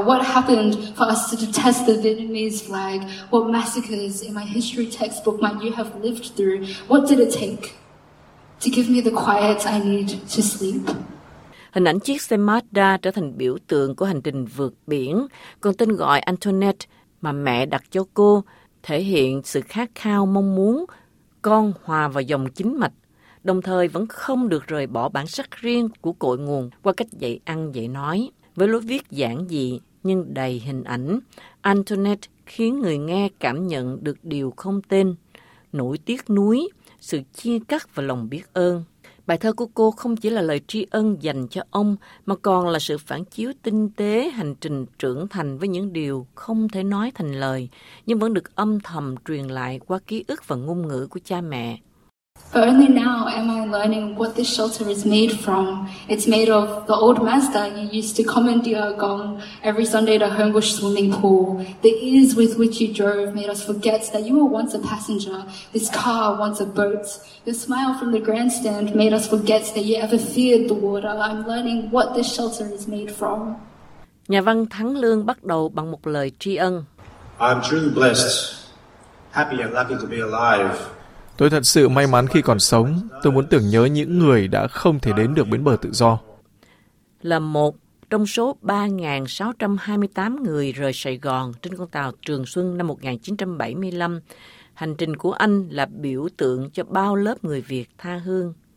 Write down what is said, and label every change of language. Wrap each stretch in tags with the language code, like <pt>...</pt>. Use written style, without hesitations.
<en>What happened for us to detest the Vietnamese flag? What massacres in my history textbook might you have lived through? What did it take to give me the quiet I need to sleep?</en> <vi>Hình ảnh chiếc xe Mazda trở thành biểu tượng của hành trình vượt biển, còn tên gọi Antoinette mà mẹ đặt cho cô thể hiện sự khát khao mong muốn con hòa vào dòng chính mạch, đồng thời vẫn không được rời bỏ bản sắc riêng của cội nguồn qua cách dạy ăn dạy nói. Với lối viết giản dị nhưng đầy hình ảnh, Antoinette khiến người nghe cảm nhận được điều không tên, nỗi tiếc nuối, sự chia cắt và lòng biết ơn. Bài thơ của cô không chỉ là lời tri ân dành cho ông, mà còn là sự phản chiếu tinh tế hành trình trưởng thành với những điều không thể nói thành lời, nhưng vẫn được âm thầm truyền lại qua ký ức và ngôn ngữ của cha mẹ.</vi> <en>But only now am I learning what this shelter is made from. It's made of the old mats that you used to commandeer gong every Sunday to Homebush swimming pool. The ease with which you drove made us forget that you were once a passenger, this car once a boat. Your smile from the grandstand made us forget that you ever feared the water. I'm learning what this shelter is made from.</en> <vi>Nhà văn Thắng Lương bắt đầu bằng một lời tri ân.</vi> <en>I'm truly blessed, happy and lucky to be alive.</en> <vi>Tôi thật sự may mắn khi còn sống. Tôi muốn tưởng nhớ những người đã không thể đến được bến bờ tự do. Là một trong số 3.628 người rời Sài Gòn trên con tàu Trường Xuân năm 1975, hành trình của anh là biểu tượng cho bao lớp người Việt tha hương.</vi>